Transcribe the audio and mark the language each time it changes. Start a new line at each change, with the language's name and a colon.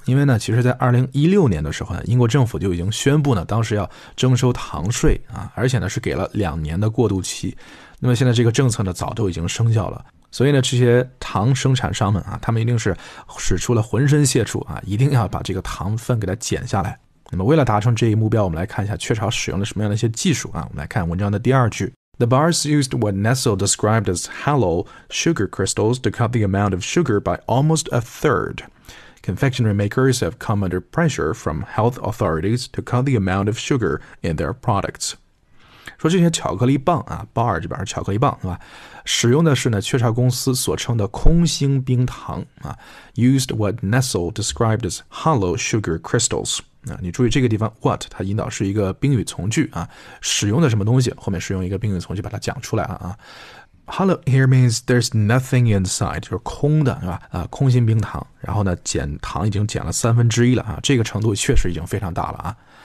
Chinese: 因为呢，其实在2016年的时候呢，英国政府就已经宣布呢，当时要征收糖税啊，而且呢是给了2年的过渡期。那么现在这个政策呢，早都已经生效了。所以呢，这些糖生产商们啊，他们一定是使出了浑身解数啊，一定要把这个糖分给它减下来。那么为了达成这一目标，我们来看一下雀巢使用了什么样的一些技术啊。我们来看文章的第二句。
English: The bars used what Nestle described as hollow sugar crystals to cut the amount of sugar by almost a third. Confectionery makers have come under pressure from health authorities to cut the amount of sugar in their products.
Chinese: 说这些巧克力棒啊 ，bar 这边是巧克力棒是吧？使用的是呢雀巢公司所称的空心冰糖啊。
English: Used what Nestle described as hollow sugar crystals.
Chinese: 啊，你注意这个地方 ，what 它引导是一个宾语从句啊，使用的什么东西，后面是用一个宾语从句把它讲出来了啊。
English: Hollow here means there's nothing inside，
Chinese: 就是空的，是吧？啊，空心冰糖，然后呢，减糖已经减了三分之一了啊，这个程度确实已经非常大了啊。